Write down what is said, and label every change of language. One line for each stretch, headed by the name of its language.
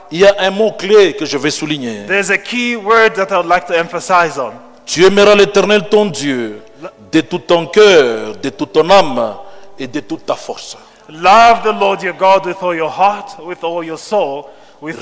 French: Il y a un mot clé que je vais souligner.
English: There's a key word that I would like to emphasize on.
French: Tu aimeras l'Éternel ton Dieu de tout ton cœur, de toute ton âme et de toute ta force.
English: Love the Lord your God with all your heart, with all your soul, with